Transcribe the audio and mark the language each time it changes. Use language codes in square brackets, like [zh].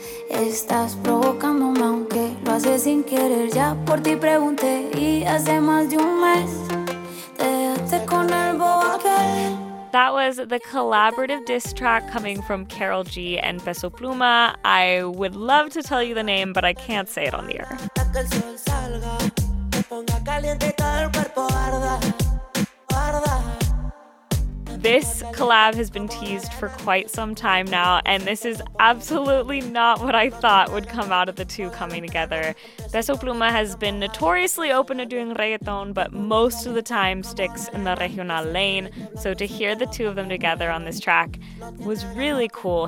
[es] Estás provocándome aunque lo haces sin querer. Ya por ti pregunté y hace más de un mes te dejaste con el bobo aquel. [en] That was the collaborative diss track coming from Carol G and Peso Pluma. I would love to tell you the name, but I can't say it on the air. [es] Ponga caliente todo el cuerpo, arda, arda. [en] This collab has been teased for quite some time now, and this is absolutely not what I thought would come out of the two coming together. Peso Pluma has been notoriously open to doing reggaeton, but most of the time sticks in the regional lane, so to hear the two of them together on this track was really cool.